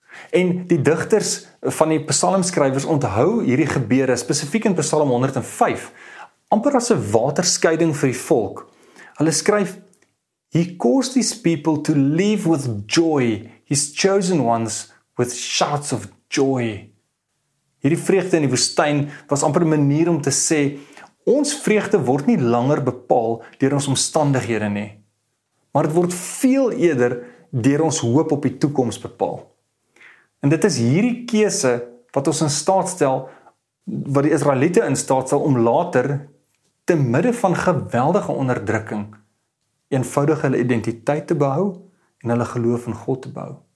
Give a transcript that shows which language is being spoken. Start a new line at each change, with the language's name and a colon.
Afrikaans: En die digters van die psalmskrywers onthou hierdie gebeure, spesifiek in Psalm 105, amper as 'n waterskeiding vir die volk. Hulle skryf,
English: "He caused his people to leave with joy, his chosen ones with shouts of joy."
Afrikaans: Hierdie vreugde in die woestyn was amper 'n manier om te sê, ons vreugde word nie langer bepaal deur ons omstandighede nie, maar dit word veel eerder deur ons hoop op die toekoms bepaal. En dit is hierdie keuse wat ons in staat stel, wat die Israeliete in staat stel om later, te midde van geweldige onderdrukking, eenvoudig hulle identiteit te behou en hulle geloof in God te bou.